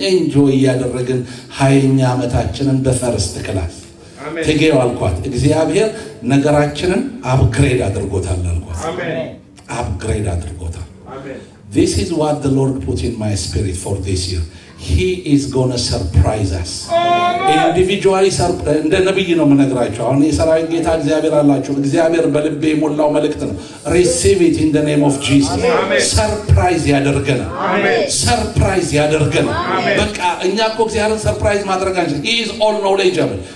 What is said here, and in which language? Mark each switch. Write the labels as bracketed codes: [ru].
[am] እንጆይ ያደረግን ኃይኛ አመታችንን በፈርስት ክላስ። አሜን። ትገው አልኳት። እግዚአብሔር ነገራችንን አፕግሬድ አድርጎታል አልኳት። አሜን። አፕግሬድ አድርጎታል። አሜን። [en] This is what the Lord put in my spirit for this year. He is going to surprise us. [am] Individually surprise እንደ ነብይ ነው መነግራችሁ። አሁን የሰራዊት ጌታ እግዚአብሔር አላችሁ። እግዚአብሔር በልቤ ሞላው መልእክት ነው። [en] Receive it in the name of Jesus. [am] Surprise ያደርገን። አሜን። Surprise ያደርገን። አሜን። በቃ እኛ እኮ እግዚአብሔርን surprise ማድረግ አንችል። [en] He is all knowledgeable.